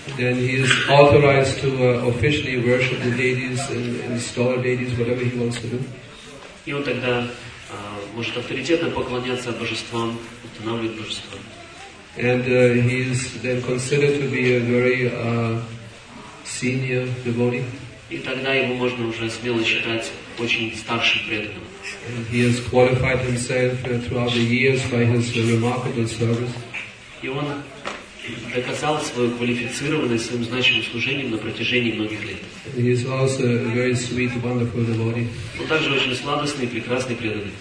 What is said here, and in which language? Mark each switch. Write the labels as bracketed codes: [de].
[en] Then he is authorized to officially worship the deities and install deities, whatever he wants to do. [ru] И он тогда может авторитетно поклоняться божествам, устанавливать божества. [en] And he is then considered to be a very senior devotee. [ru] И тогда его можно уже смело считать очень старшим преданным. [en] And he has qualified himself throughout the years by his remarkable service. [ru] И он доказал свою квалифицированность своим значимым служением на протяжении многих лет. [en] He is also a very sweet, wonderful devotee. [ru] Он также очень сладостный и прекрасный преданный.